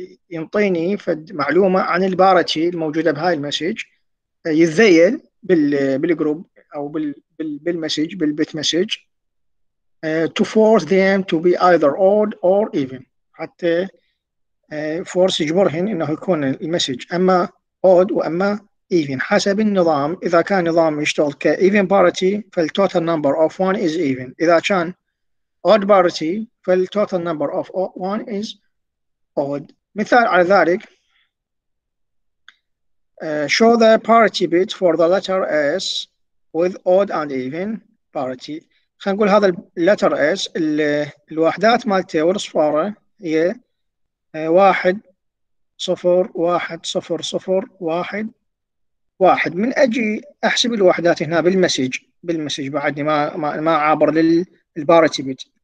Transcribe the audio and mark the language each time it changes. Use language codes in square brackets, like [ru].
[ar] ينطيني معلومة عن البارتي الموجودة بهاي المسج، يتذيل بالجروب أو بالمسج بالبيت مسج، [en] to force them to be either odd or even، [ar] حتى force يجبرهن إنه يكون المسج أما odd وأما even حسب النظام. إذا كان نظام يشتغل [en] ك even parity فال total number of one is even، إذا كان odd parity فال total number of one is odd. مثال على ذلك، show the parity bit for the letter S with odd and even parity. [ar] خلينا نقول هذا letter S الوحدات مالته والصفاره هي 1 0 1 0 0 1 1. من اجي احسب الوحدات هنا بالمسج، بالمسج بعدني ما عابر للبارتي بيت.